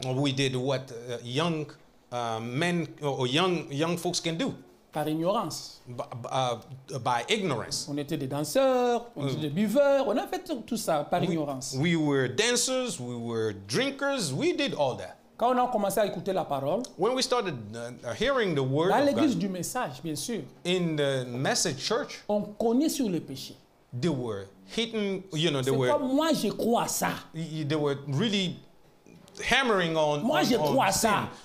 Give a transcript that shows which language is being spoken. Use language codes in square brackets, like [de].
[en] We did what young men or young folks can do. [fr] Par ignorance. [en] By ignorance. [fr] On était des danseurs, on était des buveurs, on a fait tout ça par ignorance. [en] We were dancers, we were drinkers, we did all that. [fr] Quand on a commencé à écouter la parole, [en] when we started hearing the word [fr] dans l'église du message, bien sûr, [en] in the message church, [fr] on cognait sur le péché. [en] They were hitting, you know, they [fr] c'est [en] were. [fr] C'est pas moi je crois ça. [en] They were really hammering on. [fr] Moi je crois ça.